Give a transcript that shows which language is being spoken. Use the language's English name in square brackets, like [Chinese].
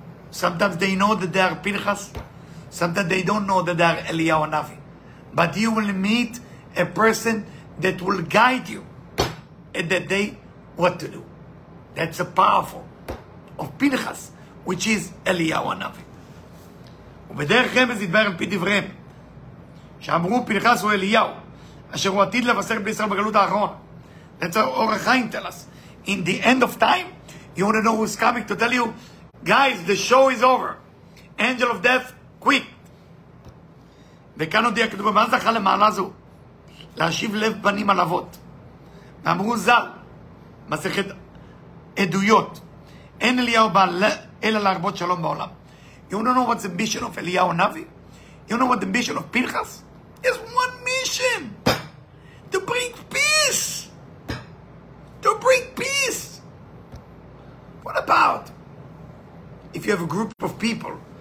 [English] Sometimes they know that they are Pinchas. Sometimes they don't know that they are Eliyahu Navi. But you will meet a person that will guide you at that day what to do. That's the powerful of Pinchas, which is Eliyahu Navi. [Hebrew] ובדרכם זה דבר על פי דבריהם, שאמרו פינחס הוא אליהו, אשר הוא עתיד לבשר בישראל בגלות האחרון. [English] That's what Or HaChaim tell us. In the end of time, you want to know who's coming to tell you, guys, the show is over. Angel of death, quit. [Hebrew] וכאן הודיע כתוב, מה זכה למעלה זו? להשיב לב פנים על אבות. ואמרו זל, מסכת עדויות, אין אליהו בעל אלא להרבות שלום בעולם. [English] You want to know what's the mission of Eliyahu Navi? You know what the mission of Pinchas? It's one mission. To bring peace. To bring peace. What about if you have a group of people?